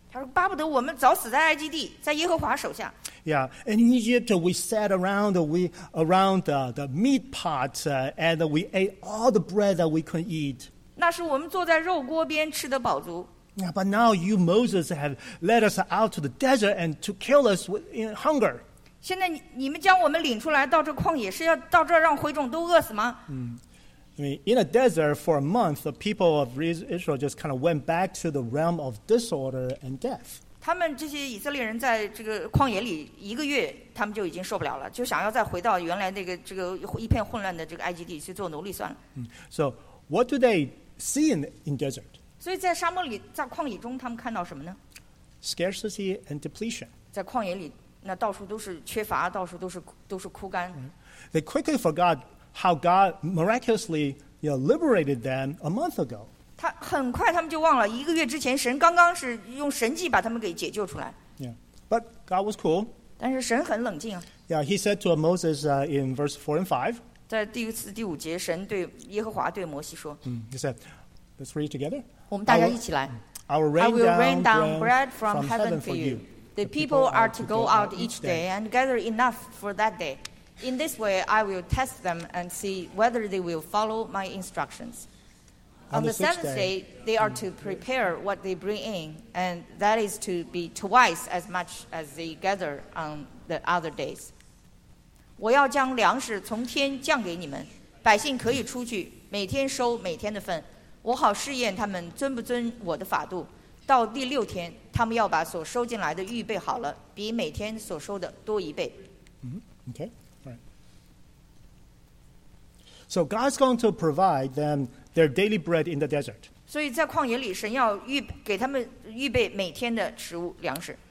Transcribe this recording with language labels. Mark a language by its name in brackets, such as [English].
[Chinese] 他说：“巴不得我们早死在埃及地，在耶和华手下。” [English] Yeah, in Egypt we sat around the meat pot and we ate all the bread that we could eat. [Chinese] 那是我们坐在肉锅边吃的饱足。 [English] Yeah, but now you Moses have led us out to the desert and to kill us in hunger. [Chinese] 现在你们将我们领出来到这旷野，是要到这让会众都饿死吗？ [English] I mean, in a desert for a month, the people of Israel just kind of went back to the realm of disorder and death. [Chinese] 他们这些以色列人在这个旷野里一个月，他们就已经受不了了，就想要再回到原来那个这个一片混乱的这个埃及地去做奴隶算了。 [English] So, what do they see in desert? [Chinese] 所以在沙漠里，在旷野中，他们看到什么呢？ [English] Scarcity and depletion. [Chinese] 在旷野里，那到处都是缺乏，到处都是枯干。 [English] They quickly forgot. How God miraculously liberated them a month ago. [Chinese] 他很快他们就忘了，一个月之前神刚刚是用神迹把他们给解救出来。 [English] Yeah, but God was cool. [Chinese] 但是神很冷静啊。 [English] Yeah, He said to Moses in verse 4 and 5. [Chinese] 在第一次第五节，神对耶和华对摩西说。 [English] He said, "Let's read together." [Chinese] 我们大家一起来。 [English] I will rain down bread from heaven for you. The people are to go out each day and gather enough for that day. In this way, I will test them and see whether they will follow my instructions. On the seventh day, they are to prepare what they bring in, and that is to be twice as much as they gather on the other days. [Chinese] 我要将粮食从天降给你们，百姓可以出去，每天收每天的份。我好试验他们遵不遵我的法度。到第六天，他们要把所收进来的预备好了，比每天所收的多一倍。 [English] Okay. So God's going to provide them their daily bread in the desert. [Chinese] 所以在旷野里，神要预给他们预备每天的食物粮食。